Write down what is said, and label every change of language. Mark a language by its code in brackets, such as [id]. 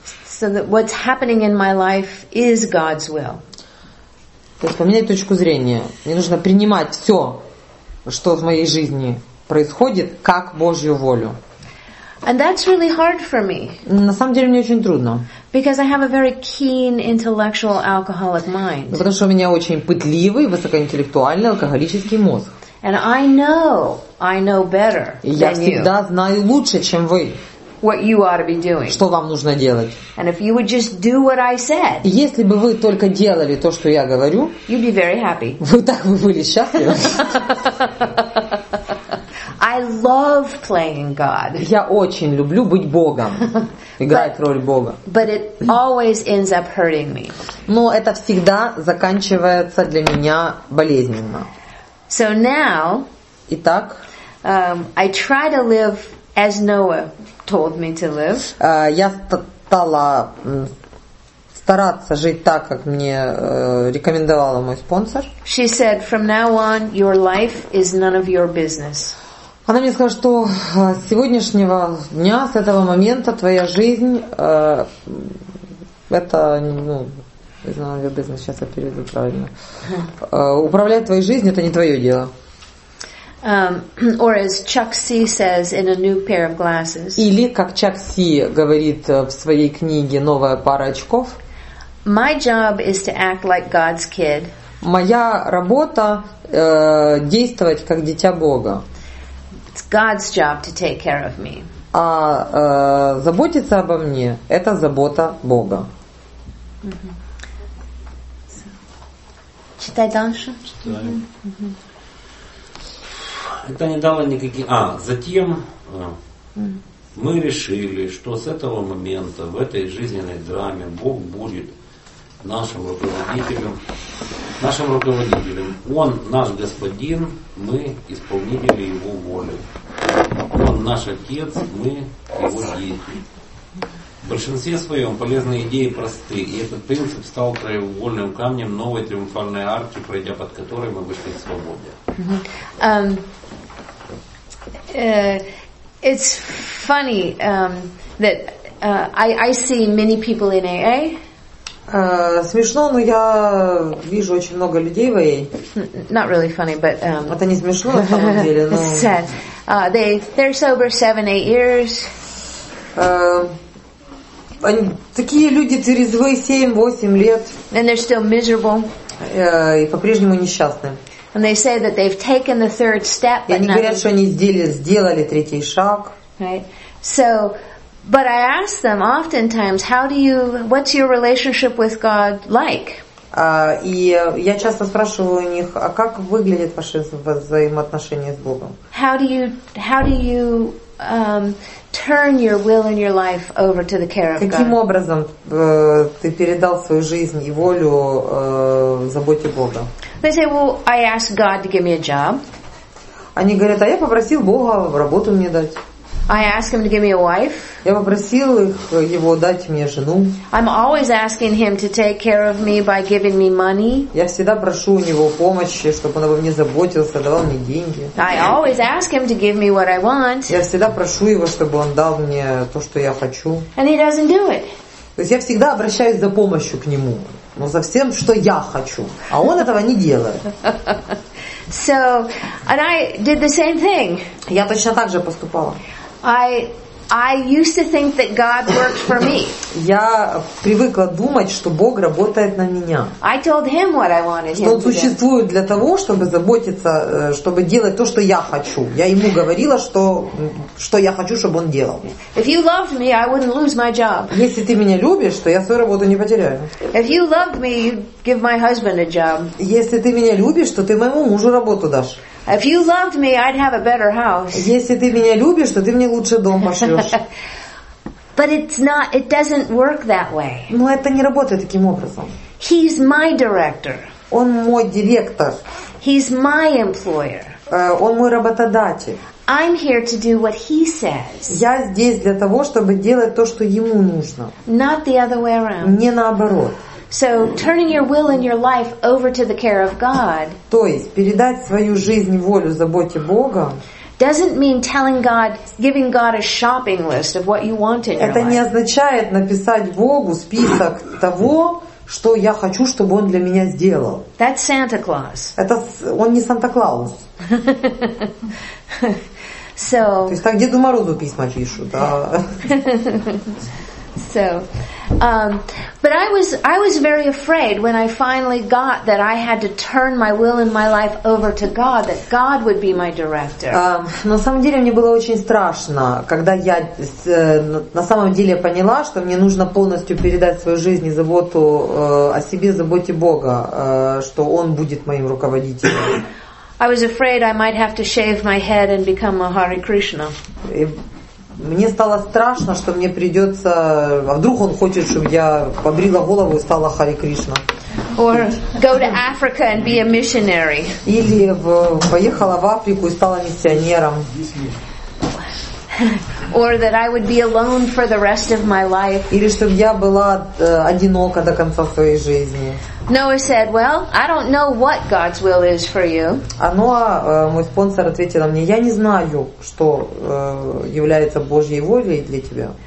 [en] So that what's happening in my life is God's will. [ru] То есть поменять точку зрения. Мне нужно принимать все, что в моей жизни происходит, как Божью волю. [en] And that's really hard for me. [ru] На самом деле мне очень трудно. [en] Because I have a very keen intellectual alcoholic mind. [ru] Потому что у меня очень пытливый, высокоинтеллектуальный алкоголический мозг. [en] And I know better than you. [ru] Я всегда знаю лучше, чем вы. [en] What you ought to be doing. [ru] Что вам нужно делать? [en] And if you would just do what I said. [ru] Если бы вы только делали то, что я говорю. [en] You'd be very happy. [ru] Вы так бы были счастливы. [en] I love playing God. [ru] Я очень люблю быть Богом, играть роль Бога. [en] But it always ends up hurting me. [ru] Но это всегда заканчивается для меня болезненно. [en] So now, [ru] итак, [en] I try to live as Noah told me to live. [ru] Я стала стараться жить так, как мне рекомендовала мой спонсор. [en] She said, "From now on, your life is none of your business." [ru] Она мне сказала, что с сегодняшнего дня, с этого момента твоя жизнь, это, ну, не знаю, я бизнес, сейчас я переведу правильно. Управлять твоей жизнью, это не твое дело. [en] Or as Chuck C says in a new pair of glasses. [ru] Или как Chuck C говорит в своей книге «Новая пара очков». [en] My job is to act like God's kid. [ru] Моя работа действовать как дитя Бога. [en] It's God's job to take care of me. [ru] А заботиться обо мне – это забота Бога. Читай дальше. Это не дало никаких... А, затем мы решили, что с этого момента в этой жизненной драме Бог будет нашим руководителем. Нашим руководителем. Он наш господин, мы исполнители его воли. Он наш отец, мы его дети. В большинстве своем полезные идеи просты, и этот принцип стал краеугольным камнем новой триумфальной арки, пройдя под которой мы вышли к свободе. [en] It's funny that I see many people in AA. [ru] Смешно, но я вижу очень много людей в AA. [en] Not really funny, but [ru] это не смешно на самом деле, но [en] it's sad. They're sober 7-8 years. [ru] Они, такие люди трезвые 7-8 лет. [en] And they're still miserable. [ru] И по-прежнему несчастны. [en] And they say that they've taken the third step. [ru] И они говорят, что они сделали третий шаг. [en] Right. So, but I ask them oftentimes, what's your relationship with God like? [ru] И я часто спрашиваю у них, а как выглядит ваше взаимоотношение с Богом? [en] How do you turn your will and your life over to the care of God? [ru] Каким образом ты передал свою жизнь и волю заботе Бога? [en] They say, well, I asked God to give me a job. [ru] Они говорят, а я попросил Бога работу мне дать. [en] I asked him to give me a wife. [ru] Я попросил его дать мне жену. [en] I'm always asking him to take care of me by giving me money. [ru] Я всегда прошу у него помощи, чтобы он обо мне заботился, давал мне деньги. [en] I always ask him to give me what I want. [ru] Я всегда прошу его, чтобы он дал мне то, что я хочу. [en] And he doesn't do it. [ru] То есть я всегда обращаюсь за помощью к нему. Но за всем, что я хочу. А он этого не делает. [en] So, and I did the same thing. [ru] Я точно так же поступала. [en] I used to think that God worked for me. [ru] Я привыкла думать, что Бог работает на меня. [en] I told him what I wanted him to do. [ru] Что он существует для того, чтобы заботиться, чтобы делать то, что я хочу. Я ему говорила, что я хочу, чтобы он делал. [en] If you loved me, I wouldn't lose my job. [ru] Если ты меня любишь, то я свою работу не потеряю. [en] If you loved me, you'd give my husband a job. [ru] Если ты меня любишь, то ты моему мужу работу дашь. [en] If you loved me, I'd have a better house. [ru] Если ты меня любишь, то ты мне лучше дом пошлёшь. [en] But it doesn't work that way. [ru] Но это не работает таким образом. [en] He's my director. [ru] Он мой директор. [en] He's my employer. [ru] Он мой работодатель. [en] I'm here to do what he says. [ru] Я здесь для того, чтобы делать то, что ему нужно. [en] Not the other way around. [ru] Не наоборот. [en] So turning your will and your life over to the care of God. [ru] То есть передать свою жизнь, волю, заботе Бога. [en] Doesn't mean telling God, giving God a shopping list of what you want in your life. [ru] Это не означает написать Богу список того, что я хочу, чтобы он для меня сделал. [en] That's Santa Claus. [ru] Это он не Санта Клаус. [en] So. [ru] То есть так Деду Морозу письма пишут, а. [en] So, but I was very afraid when I finally got that I had to turn my will and my life over to God, that God would be my director. [ru] На самом деле мне было очень страшно, когда я на самом деле поняла, что мне нужно полностью передать свою жизнь и заботу о себе, заботе Бога, что Он будет моим руководителем. [en] I was afraid I might have to shave my head and become a Hare Krishna. [ru] Мне стало страшно, что мне придется... А вдруг он хочет, чтобы я побрила голову и стала Харе Кришна? [en] Or go to Africa and be a missionary. [ru] Или поехала в Африку и стала миссионером. [en] or that I would be alone for the rest of my life. [ru] Или чтобы я была одинока до конца своей жизни. [en] Noah said, "Well, I don't know what God's will is for you." [ru] А Ноах, мой спонсор, ответил мне: "Я не знаю, что является Божьей волей для тебя."